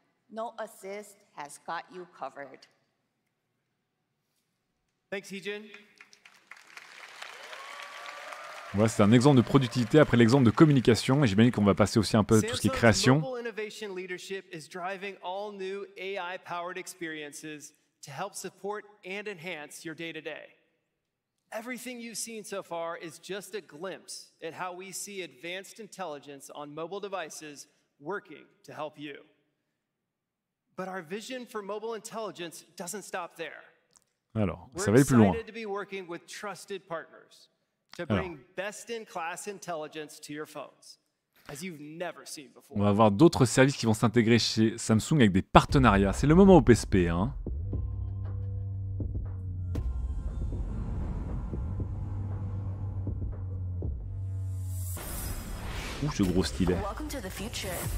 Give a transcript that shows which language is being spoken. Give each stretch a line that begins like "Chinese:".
English: No assist has got you covered. Thanks, Heejin.
French: Voilà, c'est un exemple de productivité après l'exemple de communication. Et j'imagine qu'on va passer aussi un peu à tout ce qui est création.
English: Mobile innovation leadership is driving all new AI-powered experiences to help support and enhance your day-to-day. Everything you've seen so far is just a glimpse at how we see advanced intelligence on mobile devices working to help you. But our vision for mobile intelligence doesn't stop there.
French: Alors, ça va aller plus loin.
English: We're excited to be working with trusted partners to bring best-in-class intelligence to your phones, as you've never seen before.
French: On va avoir d'autres services qui vont s'intégrer chez Samsung avec des partenariats. C'est le moment au PSP, hein. Ouh, ce gros stylet.
English: Welcome to the future.